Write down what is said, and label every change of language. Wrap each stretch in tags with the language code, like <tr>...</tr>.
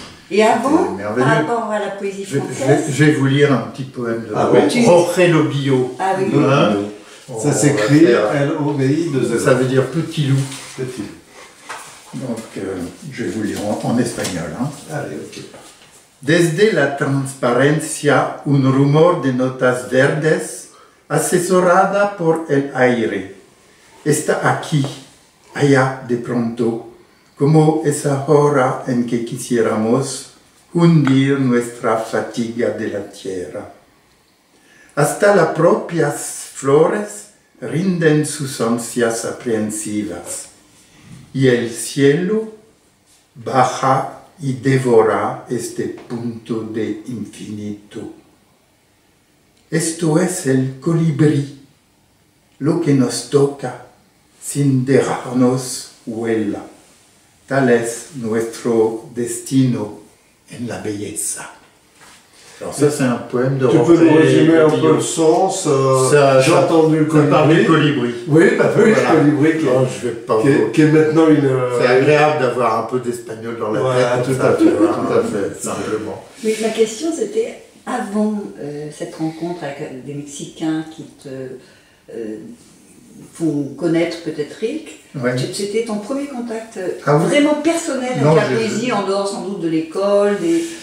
<fr>Et avant, par rapport à la poésie française. Je vais vous lire un petit poème de Jorge Lobillo. Ah oui. Hein, ça s'écrit L-O-B-I. Ça veut dire petit loup. Donc, je vais vous lire en espagnol. Hein. Allez, ok.</fr> <es>Desde la transparencia, un rumor de notas verdes, asesorada por el aire, está aquí, allá de pronto, como esa hora en que quisiéramos hundir nuestra fatiga de la tierra. Hasta las propias flores rinden sus ansias aprehensivas, y el cielo baja y devora este punto de infinito. Esto es el colibrí, lo que nos toca sin dejarnos huella. Tal es nuestro destino en la belleza.</es> <fr>Alors ça, c'est un poème de Jorge. Tu peux résumer un peu le sens. J'ai entendu le colibri. Le colibri. Oui, le colibri. Qui est maintenant une... C'est agréable d'avoir un peu d'espagnol dans la tête. Tout à fait, simplement. Mais ma question, c'était avant cette rencontre avec des Mexicains qui te font connaître peut-être Rilke, c'était ton premier contact vraiment personnel avec la poésie, en dehors sans doute de l'école, des...</fr>